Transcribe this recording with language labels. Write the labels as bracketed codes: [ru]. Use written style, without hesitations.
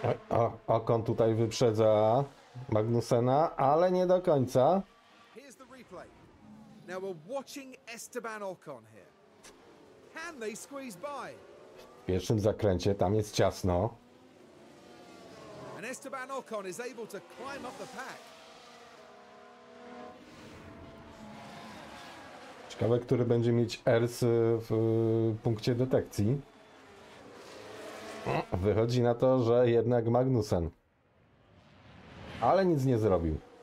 [pl] O, Ocon tutaj wyprzedza Magnusena, ale nie do końca. [en] Here's the replay. Now we're watching Esteban Ocon here. Can they squeeze by? [pl] W pierwszym zakręcie tam jest ciasno. [en] And Esteban Ocon is able to climb up the pack. [pl] Ciekawe, który będzie mieć ERS w punkcie detekcji. Wychodzi na to, że jednak Magnussen. Ale nic nie zrobił.